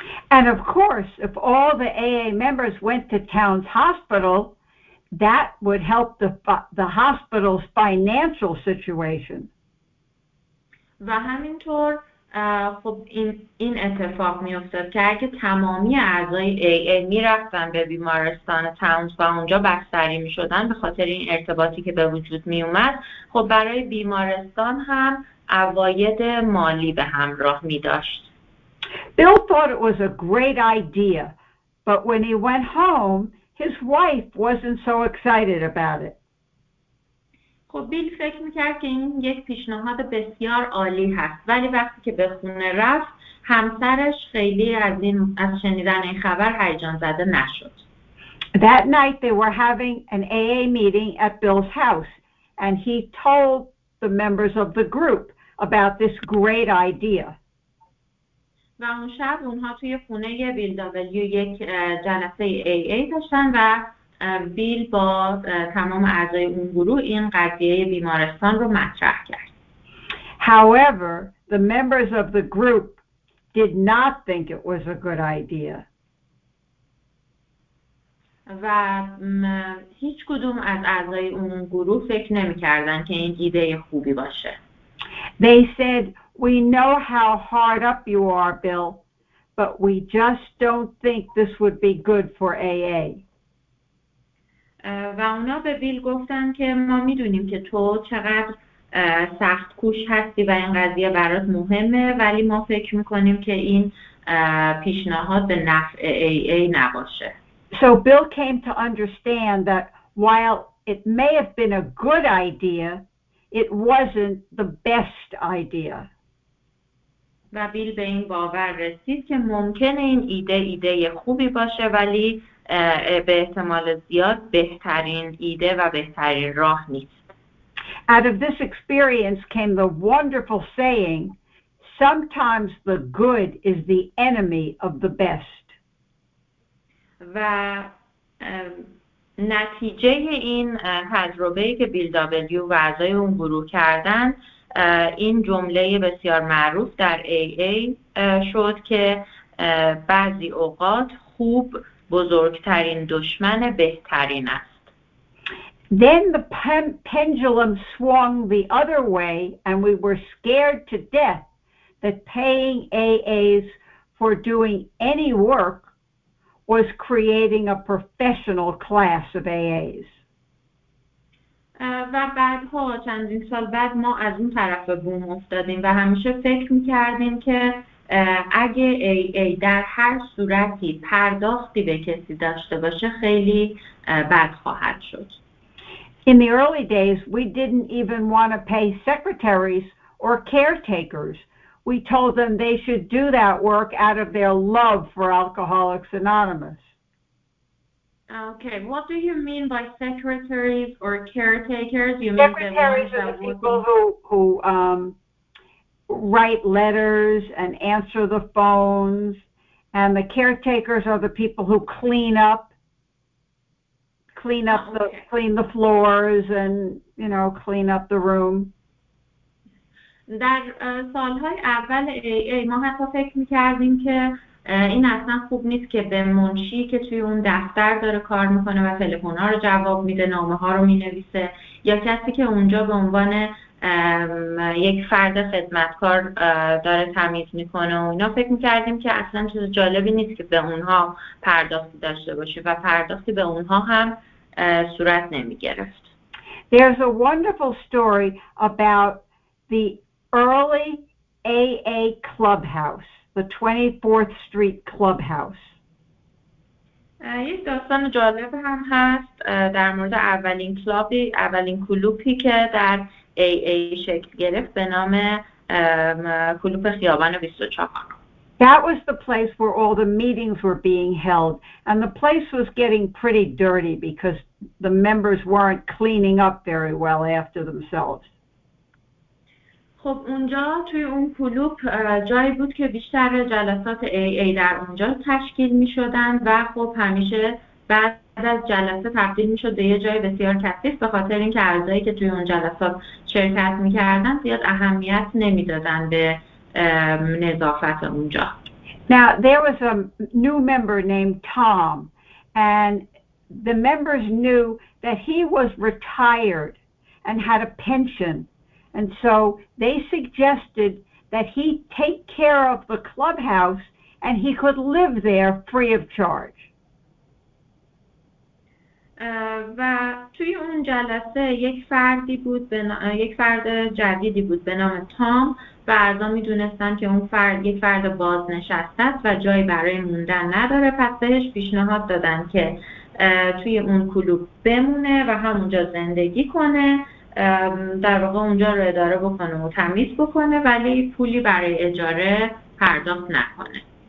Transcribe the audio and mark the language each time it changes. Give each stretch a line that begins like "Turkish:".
English: And of course, if all the AA members went to Towns Hospital, that would help the hospital's financial situation.
Persian: و همینطور خب این اتفاق می افتاد که اگه تمامی اعضای AA می رفتن به بیمارستان تاونز و اونجا بستری می شدن به خاطر این ارتباطی که به وجود می اومد، خب برای بیمارستان هم عواید مالی به همراه می داشت.
English: Bill thought it was a great idea, but when he went home, his wife wasn't so excited about it.
Persian: خب بیل فکر میکرد که این یک پیشنهاد بسیار عالی هست، ولی وقتی که به خونه رفت، همسرش خیلی از شنیدن این خبر هیجان زده نشد.
English: That night they were having an AA meeting at Bill's house, and he told the members of the group about this great idea.
Persian: و اون شب اونها توی خونه بیل دبلیو یک جلسه ای ای داشتن و بیل با تمام اعضای اون گروه این قضیه بیمارستان رو مطرح کرد.
English: However, the members of the group did not think it was a good idea.
Persian: و هیچ کدوم از اعضای اون گروه فکر نمی‌کردن که این ایده خوبی باشه.
English: They said, "We know how hard up you are, Bill, but we just don't think this would be good for AA."
Persian: و اونا به بیل گفتن که ما میدونیم که تو چقدر سخت کوش هستی و این قضیه برات مهمه، ولی ما فکر میکنیم که این پیشنهاد به نفع AA نباشه.
English: So Bill came to understand that while it may have been a good idea, it wasn't the best idea.
Persian: و بیل به این باور رسید که ممکنه این ایده خوبی باشه، ولی به احتمال زیاد بهترین ایده و بهترین راه نیست.
English: Out of this experience came the wonderful saying, "Sometimes the good is the enemy of the best."
Persian: و نتیجه این تجربه که بیل دابلیو و اعضای اون گروه کردن این جمله بسیار معروف در AA شد که بعضی اوقات خوب بزرگترین دشمن بهترین است.
English: Then the pendulum swung the other way and we were scared to death that paying AAs for doing any work was creating a professional class of AAs.
Persian: و بعد ها چندین سال بعد ما از اون طرف بوم افتادیم و همیشه فکر میکردیم که اگه AA در هر صورتی پرداختی به کسی داشته باشه خیلی بد خواهد شد.
English: In the early days we didn't even want to pay secretaries or caretakers. We told them they should do that work out of their love for Alcoholics Anonymous. Okay, what do you mean by secretaries or caretakers? You secretaries mean the ones are the people who write letters and answer the phones, and the caretakers are the people who clean the floors and, you know, clean up the room.
Persian: در سالهای اول AA ما حتی فکر میکردیم که این اصلا خوب نیست که به منشی که توی اون دفتر داره کار میکنه و تلفن‌ها رو جواب میده، نامه‌ها رو مینویسه، یا کسی که اونجا به عنوان یک فرد خدمتکار داره تمیز میکنه و اینا، فکر میکردیم که اصلا چیز جالبی نیست که به اونها پرداختی داشته باشه و پرداختی به اونها هم صورت نمیگرفت.
English: There's a wonderful story about the early AA clubhouse, the 24th Street clubhouse.
Persian: یک داستان جالب هم هست در مورد اولین کلوپی که در AA شکل گرفت به نام کلوپ خیابان 24.
English: That was the place where all the meetings were being held, and the place was getting pretty dirty because the members weren't cleaning up very well after themselves.
Persian: خب اونجا توی اون کلوپ جایی بود که بیشتر جلسات AA در اونجا تشکیل می شدن و خب همیشه بعد از جلسه تبدیل می شد به یه جای بسیار کثیف، به خاطر اینکه اعضایی که توی اون جلسات شرکت می کردن زیاد اهمیت نمی دادن به نظافت اونجا.
English: Now there was a new member named Tom and the members knew that he was retired and had a pension. And so they suggested that he take care of the clubhouse and he could live there free of charge.
Persian: و توی اون جلسه یک فرد جدیدی بود به نام تام و اعضا میدونستن که اون فرد یک فرد بازنشسته است و جایی برای موندن نداره، پس بهش پیشنهاد دادن که توی اون کلوب بمونه و همونجا زندگی کنه، در واقع اونجا رو اداره بکنه و تمیز بکنه، ولی پولی برای اجاره پرداخت نکنه.